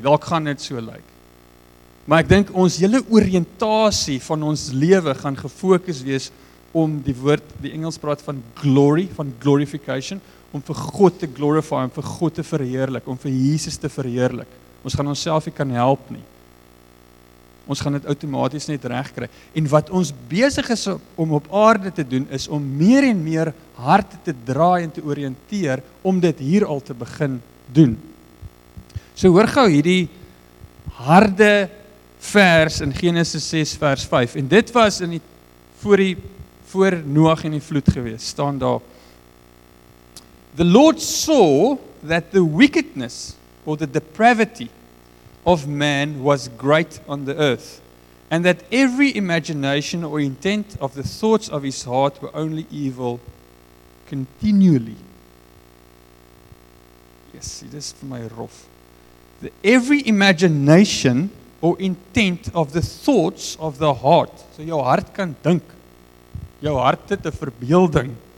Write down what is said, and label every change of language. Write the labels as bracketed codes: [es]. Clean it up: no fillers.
[af] Dalk gaan dit so lyk. Maar ek dink ons hele oriëntasie van ons lewe gaan gefokus wees om die woord, die Engels praat van glory, van glorification, om vir God te glorify, om vir God te verheerlik, om vir Jesus te verheerlik. Ons gaan onsself nie kan help nie. Ons gaan dit outomaties net reg kry. En wat ons besig is om op aarde te doen, is om meer en meer hart te draai en te orienteer, om dit hier al te begin doen. So hoor gou hierdie harde vers in Genesis 6 vers 5. En dit was in die, voor die voor Noag en die vloed gewees, staan daar. [en] The Lord saw that the wickedness or the depravity of man was great on the earth, and that every imagination or intent of the thoughts of his heart were only evil continually. Yes, see, this is for my rough. The every imagination or intent of the thoughts of the heart, so your heart can think. [af] Jou hart het 'n verbeelding.